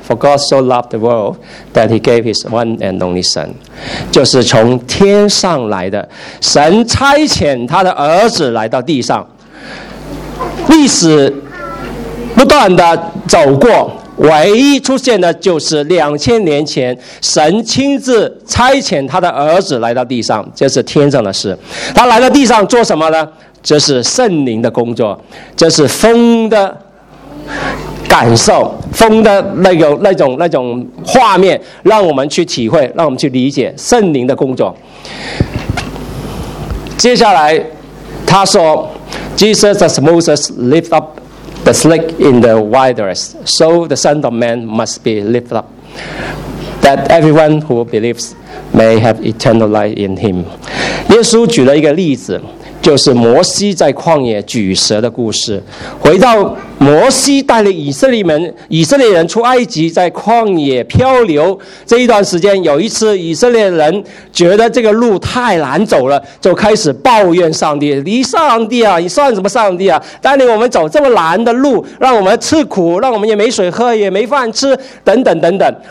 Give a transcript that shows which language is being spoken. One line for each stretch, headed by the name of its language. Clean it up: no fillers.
English: For God so loved the world that he gave his one and only son,
Chinese: 就是从天上来的，神差遣他的儿子来到地上，历史不断的走过，唯一出现的就是2000年前神亲自差遣他的儿子来到地上，这是天上的事。他来到地上做什么呢？这是圣灵的工作，这是风的感受，风的那种画面，让我们去体会，让我们去理解圣灵的工作。接下来他说
English: Jesus as Moses lift up the snake in the wilderness, so the Son of Man must be lifted up, that everyone who believes may have eternal life in him.
Chinese: 耶稣举了一个例子，就是摩西在旷野举蛇的故事。回到摩西带领以色列人出埃及，在旷野漂流这一段时间，有一次以色列人觉得这个路太难走了，就开始抱怨上帝，你上帝啊，你算什么上帝啊，带领我们走这么难的路，让我们吃苦，让我们也没水喝也没饭吃，等等等等。